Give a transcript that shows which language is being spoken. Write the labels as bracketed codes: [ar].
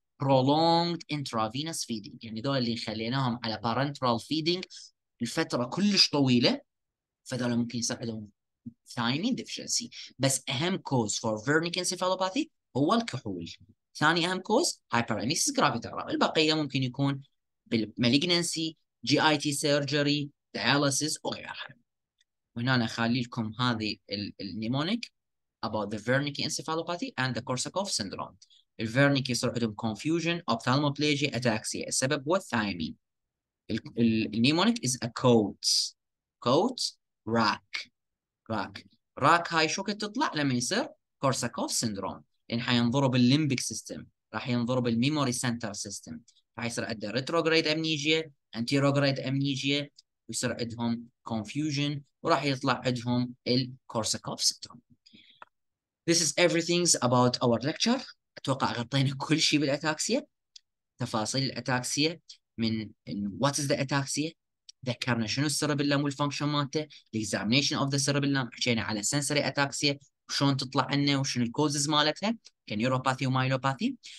[en] prolonged intravenous feeding، [ar] يعني ذول اللي خليناهم على [en] parenteral feeding [ar] لفترة كلش طويلة، فذول ممكن يساعدهم thiamine deficiency. بس أهم [en] cause for vernic encephalopathy [ar] هو الكحول، ثاني أهم cause hyperemesis gravidarum، البقية ممكن يكون بالmalignancy، GIT surgery، dialysis وغيرها. وهنا أنا أخلي لكم هذه النيمونيك [en] about the Wernicke encephalopathy and the Korsakoff syndrome. [ar] الفيرنيكي يصير عندهم confusion, ophthalmoplegia, ataxia، السبب هو الثايمين. [en] النيمونيك is a coat. Coat, rack. Rack. [ar] Rack هاي شو كنت تطلع لما يصير Korsakoff syndrome. لأن حينضرب الليمبيك سيستم، راح ينضرب الميموري سنتر سيستم. حيصير عنده [en] retrograde amnesia, anterograde amnesia، [ar] ويصير عندهم confusion، وراح يطلع عندهم الكورساكوف سيندروم. [en] This is everything about our lecture. [ar] أتوقع غطينا كل شيء بالأتاكسيا، تفاصيل الأتاكسيا من [en] what is the ataxia، [ar] ذكرنا شنو السيربيلم والفانكشن مالته، [en] the examination of the cerebellum، [ar] حكينا على sensory ataxia وشون تطلع عنه وشنو الكوزز مالتها كنيوروباثي ومايلوباثي،